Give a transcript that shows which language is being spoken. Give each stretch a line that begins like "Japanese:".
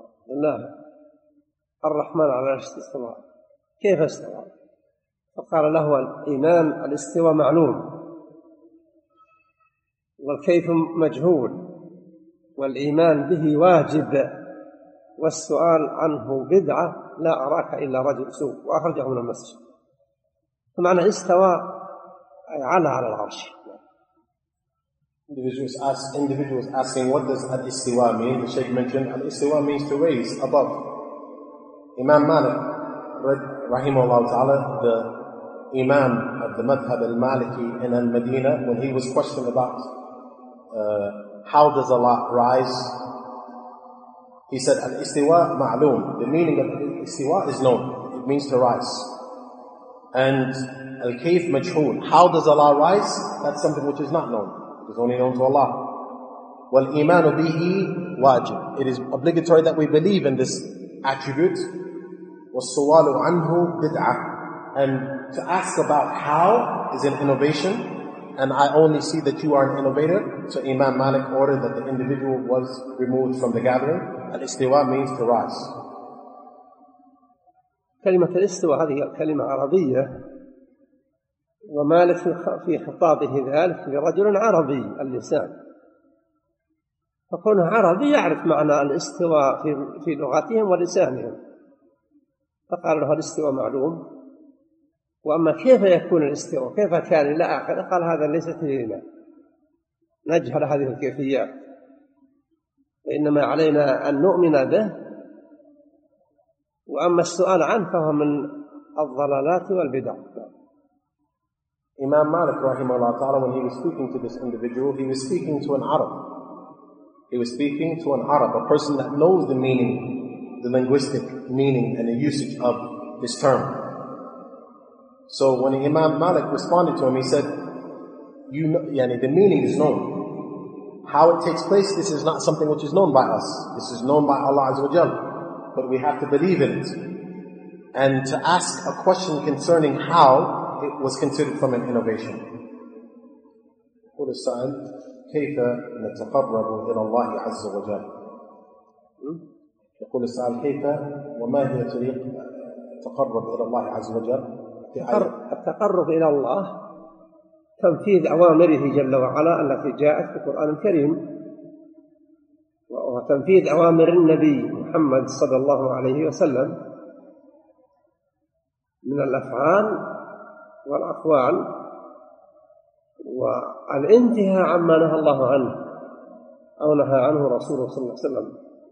Arabic: الله الرحمن على العرش استوى كيف استوى فقال له الإيمان الاستواء معلوم والكيف مجهول والإيمان به واجب والسؤال عنه بدعة لا أراك إلا رجل سوء وأخرجه من المسجد فمعنى استواء أي علا على العرش.
English: Individuals asking what does الاستواء mean. The Shaykh mentioned الاستواء means to raise above. Imam Malik rahimahullah ta'ala, the Imam of the Madhab al-Maliki in al-Medina, when he was questioned about how does Allah rise, he said,
Arabic: al-istiwa ma'loom.
English: The meaning of al-istiwa is known. It means to rise. And
Arabic: al-kayf majhool.
English: How does Allah rise? That's something which is not known. It is only known to Allah.
Arabic: Wal-imanu bihi wajib.
English: It is obligatory that we believe in this attribute.
Arabic: Wal-suwalu anhu bid'ah.
English: And to ask about how is an innovation, and I only see that you are an innovator. So Imam Malik ordered that the individual was removed from the gathering. Al-istiwa means to rise.
Arabic: كلمة الاستواء هذه كلمة عربية ومالك في خطابه ذلك لرجل عربي اللسان فكونه عربي يعرف معنى الاستواء في لغتهم ولسانهم فقال له الاستواء معلوم وأما كيف يكون الاستواء كيف كان إلى آخره قال هذا ليس فينا نجهل هذه الكيفيات وإنما علينا أن نؤمن به وأما السؤال عنه فهو من الضلالات والبدع.
English: Imam Malik rahimahullah ta'ala, when he was speaking to this individual, he was speaking to an Arab. He was speaking to an Arab, a person that knows the meaning, the linguistic meaning and the usage of this term. So when Imam Malik responded to him, he said, "You know, yani, the meaning is known. How it takes place, this is not something which is known by us. This is known by Allah Azza wa Jal. But we have to believe in it." And to ask a question concerning how, it was considered from an innovation. What is sa'an?
Arabic: كيف نتقرب إلى الله عز وجل؟ يقول السؤال كيف وما هي طريق التقرب إلى الله عز وجل؟ التقرب إلى الله تنفيذ أوامره جل وعلا التي جاءت في القرآن الكريم وتنفيذ أوامر النبي محمد صلى الله عليه وسلم من الأفعال والأقوال والانتهاء عما نهى الله عنه أو نهى عنه رسوله صلى الله عليه وسلم.